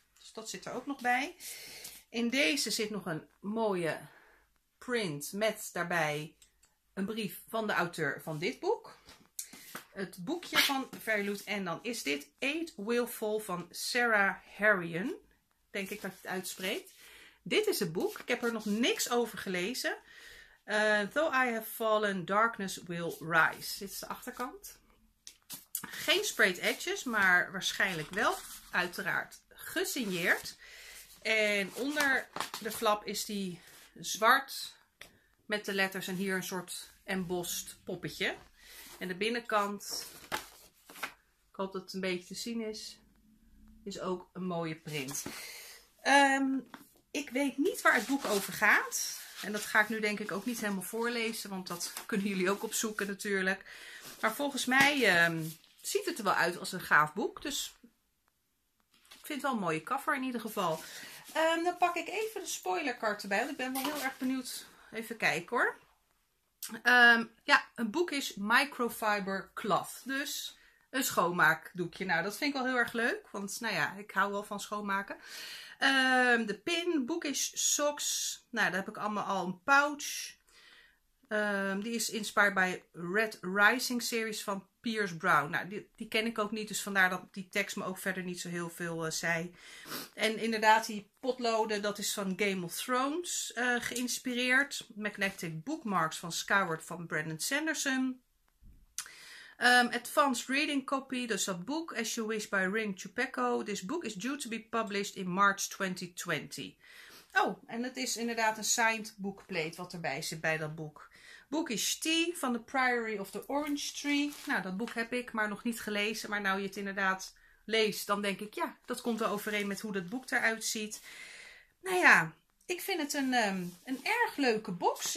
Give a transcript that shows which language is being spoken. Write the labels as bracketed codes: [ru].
[nl] Dus dat zit er ook nog bij. In deze zit nog een mooie print met daarbij een brief van de auteur van dit boek. Het boekje van Fairy Loot. En dan is dit Eight Willful van Sarah Harrion. Denk ik dat je het uitspreekt. Dit is het boek. Ik heb er nog niks over gelezen. [en] Though I have fallen, darkness will rise. [nl] Dit is de achterkant. Geen sprayed edges, maar waarschijnlijk wel uiteraard gesigneerd. En onder de flap is die zwart met de letters en hier een soort embossed poppetje. En de binnenkant, ik hoop dat het een beetje te zien is, is ook een mooie print. Ik weet niet waar het boek over gaat. En dat ga ik nu denk ik ook niet helemaal voorlezen, want dat kunnen jullie ook opzoeken natuurlijk. Maar volgens mij ziet het er wel uit als een gaaf boek. Dus ik vind het wel een mooie cover in ieder geval. Dan pak ik even de spoilerkaart erbij, want ik ben wel heel erg benieuwd. Even kijken hoor. Een boek is [en] microfiber cloth. [nl] Dus een schoonmaakdoekje. Nou, dat vind ik wel heel erg leuk, want nou ja, ik hou wel van schoonmaken. De pin, bookish socks, nou daar heb ik allemaal al een pouch. Die is [en] inspired by [nl] Red Rising series van Pierce Brown. Nou, die ken ik ook niet, dus vandaar dat die tekst me ook verder niet zo heel veel zei. En inderdaad, die potloden, dat is van Game of Thrones geïnspireerd. Magnetic bookmarks van Skyward van Brandon Sanderson. Advanced Reading Copy, dus dat boek, As You Wish by Ring Chupeco. [en] This book is due to be published in March 2020. [nl] Oh, en het is inderdaad een signed boekplate wat erbij zit bij dat boek. Bookish Tea van The Priory of the Orange Tree. Nou, dat boek heb ik, maar nog niet gelezen. Maar nou je het inderdaad leest, dan denk ik, ja, dat komt wel overeen met hoe dat boek eruit ziet. Nou ja, ik vind het een erg leuke box.